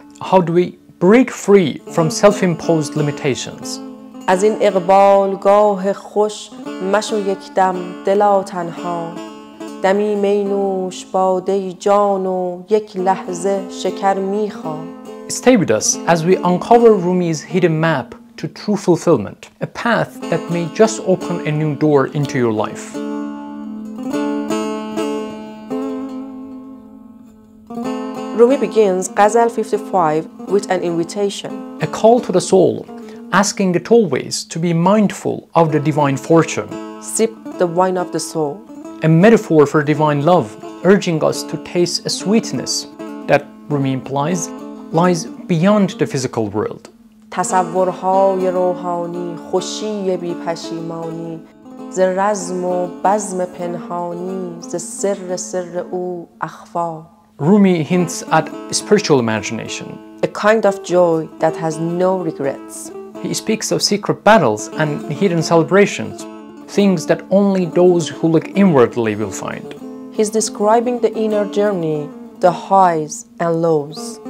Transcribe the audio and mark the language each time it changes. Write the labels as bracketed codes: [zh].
[en] How do we break free from self-imposed limitations? [fa] از این اقبال گاه خوش مشو یک دم دلا تنها دمی می نوش باده جان و یک لحظه شکر می خا. [en] Stay with us as we uncover Rumi's hidden map to true fulfillment, a path that may just open a new door into your life. Rumi begins Ghazal 55 with an invitation. A call to the soul, asking it always to be mindful of the divine fortune. Sip the wine of the soul. A metaphor for divine love, urging us to taste a sweetness that, Rumi implies, lies beyond the physical world. [fa] تصورهای روحانی خوشی بی پشیمانی ز رزم و بزم پنهانی ز سر سر او اخفا. [en] Rumi hints at spiritual imagination, a kind of joy that has no regrets. He speaks of secret battles and hidden celebrations, things that only those who look inwardly will find. He's describing the inner journey, the highs and lows,